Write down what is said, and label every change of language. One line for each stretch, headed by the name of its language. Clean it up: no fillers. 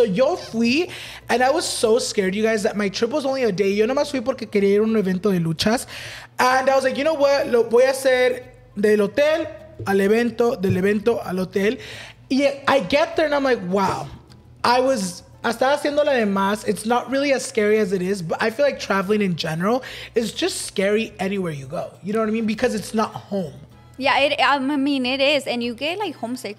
English: So
Spanish: yo fui,
English: and I was so scared, you guys, that my trip was only a day.
Spanish: Yo nomás fui porque quería ir a un evento de luchas.
English: And I was like, you know what?
Spanish: Lo voy a hacer del hotel al evento, del evento al hotel.
English: Y I get there, and I'm like, wow. I was
Spanish: hasta haciendo la de más.
English: It's not really as scary as it is, but I feel like traveling in general is just scary anywhere you go. You know what I mean? Because it's not home. Yeah, it is, and you get, like, homesick.